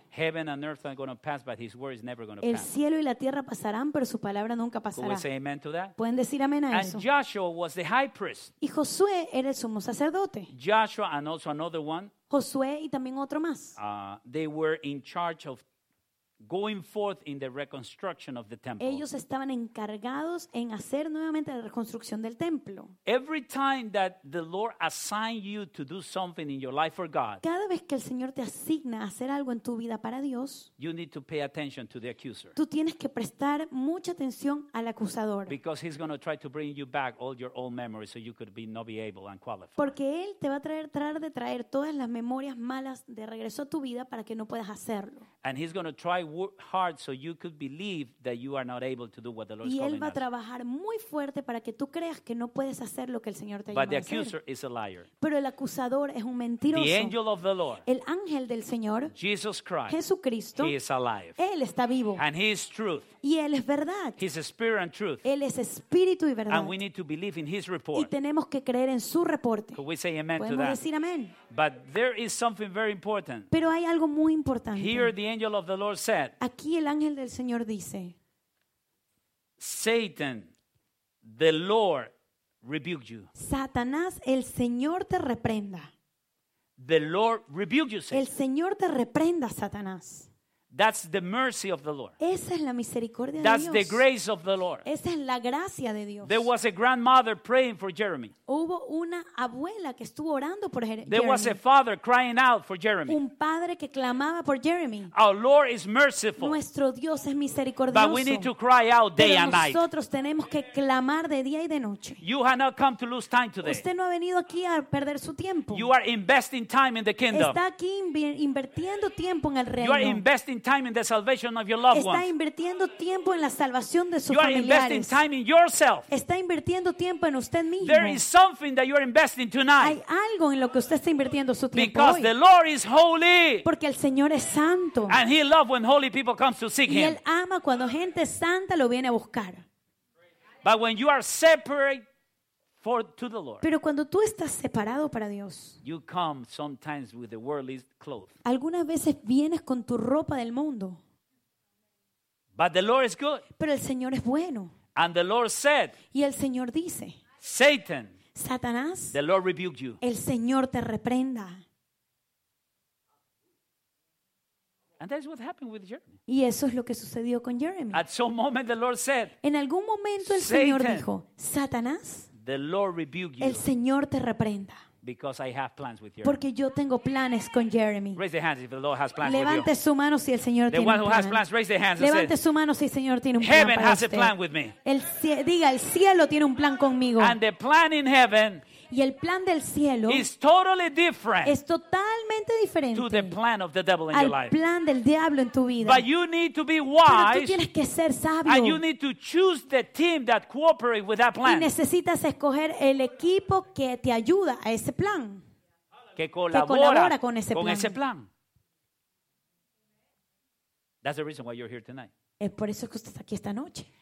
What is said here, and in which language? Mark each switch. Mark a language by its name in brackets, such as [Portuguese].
[English] Heaven and earth are going to pass, but His word is never going to pass. [Spanish] El cielo y la tierra pasarán, pero su palabra nunca pasará. [English] Can we say amen to that? [Spanish] ¿Pueden decir amén a [English] and [Spanish] eso? [English] And Joshua was the high priest. [Spanish] Y Josué era el sumo sacerdote. [English] Joshua and also another one. [Spanish] Josué y también otro más. [English] They were in charge of going forth in the reconstruction of the temple. [Spanish] Ellos estaban encargados en hacer nuevamente la reconstrucción del templo. [English] Every time that the Lord assigns you to do something in your life for God, [Spanish] cada vez que el Señor te asigna hacer algo en tu vida para Dios, [English] you need to pay attention to the accuser. [Spanish] Tú tienes que prestar mucha atención al acusador. [English] Because he's going to try to bring you back all your old memories so you could be not be able and qualified. [Spanish] Porque él te va a traer todas las memorias malas de regreso a tu vida para que no puedas hacerlo. [English] And he's going to try hard so you could believe that you are not able to do what the Lord is calling us. [Spanish] Y él va a trabajar muy fuerte para que tú creas que no puedes hacer lo que el Señor te llama a hacer. [English] But the accuser is a liar. [Spanish] Pero el acusador es un mentiroso. [English] The angel of the Lord. [Spanish] El ángel del Señor. [English] Jesus Christ. [Spanish] Jesucristo. [English] He is alive. [Spanish] Él está vivo. [English] And he is truth. [Spanish] Y él es verdad. [English] He is spirit and truth. [Spanish] Él es espíritu y verdad. [English] And we need to believe in his report. [Spanish] Y tenemos que creer en su reporte. [English] Could we say amen to that? [Spanish] Podemos decir amén. [English] But there is something very important. [Spanish] Pero hay algo muy importante. [English] Here the angel of the Lord said, [Spanish] aquí el ángel del Señor dice, [English] Satan, the Lord rebuke you. [Spanish] Satanás, el Señor te reprenda. [English] The Lord rebuke you, Satan. [Spanish] El Señor te reprenda, Satanás. [English] That's the mercy of the Lord. [Spanish] Esa es la misericordia de Dios. [English] That's the grace of the Lord. [Spanish] Esa es la gracia de Dios. [English] There was a grandmother praying for Jeremy. [Spanish] Hubo una abuela que estuvo orando por Jeremy. [English] There was a father crying out for Jeremy. [Spanish] Un padre que clamaba por Jeremy. [English] Our Lord is merciful. [Spanish] Nuestro Dios es misericordioso. [English] But we need to cry out day and night. [Spanish] Nosotros tenemos que clamar de día y de noche. [English] You have not come to lose time today. [Spanish] Usted no ha venido aquí a perder su tiempo. [English] You are investing time in the kingdom. [Spanish] Está aquí invirtiendo tiempo en el reino. [English] You are investing time in the salvation of your loved ones. [Spanish] Está invirtiendo tiempo en la salvación de sus familiares. [English] You are investing time in yourself. [Spanish] Está invirtiendo tiempo en usted mismo. [English] There is something that you are investing tonight. [Spanish] Hay algo en lo que usted está invirtiendo su tiempo. [English] Because [Spanish] hoy. [English] The Lord is holy. [Spanish] Porque el Señor es santo. [English] And he loves when holy people come to seek him. [Spanish] Y él ama cuando gente santa lo viene a buscar. [English] But when you are separate to the Lord. [Spanish] Pero cuando tú estás separado para Dios, [English] you come sometimes with the worldly clothes. [Spanish] Algunas veces vienes con tu ropa del mundo. [English] But the Lord is good. [Spanish] Pero el Señor es bueno. [English] And the Lord said, [Spanish] y el Señor dice, [English] Satan, [Spanish] Satanás, [English] the Lord rebuke you. [Spanish] El Señor te reprenda. [English] And that's what happened with Jeremy. [Spanish] Y eso es lo que sucedió con Jeremy. [English] At some moment the Lord said, [Spanish] en algún momento el Señor dijo, Satanás, [English] the Lord rebuke you. [Spanish] El Señor te reprenda. [English] Because I have plans with Jeremy. [Spanish] Porque yo tengo planes con Jeremy. [English] Raise your hands if the Lord has plans. [Spanish] Levante [English] with you. [Spanish] Su mano si el Señor [English] the [Spanish] tiene [English] one [Spanish] un [English] who [Spanish] plan. [English] Has plans, raise their hands. [Spanish] Levante su mano si el Señor tiene un plan. [English] Heaven [Spanish] para [English] has [Spanish] usted. [English] A plan with me. [Spanish] El cielo tiene un plan conmigo. [English] And the plan in heaven. [Spanish] Y el plan del cielo [English] is totally different. [Spanish] Es totalmente diferente. [English] To the plan of the devil in [Spanish] al [English] your life. [Spanish] Al plan del diablo en tu vida. [English] But you need to be wise. [Spanish] Pero tú tienes que ser sabio. [English] And you need to choose the team that cooperate with that plan. [Spanish] Y necesitas escoger el equipo que te ayuda a ese plan. Que colabora con ese plan. Con ese plan. [English] That's the reason why you're here tonight. [Spanish] Es por eso que usted está aquí esta noche.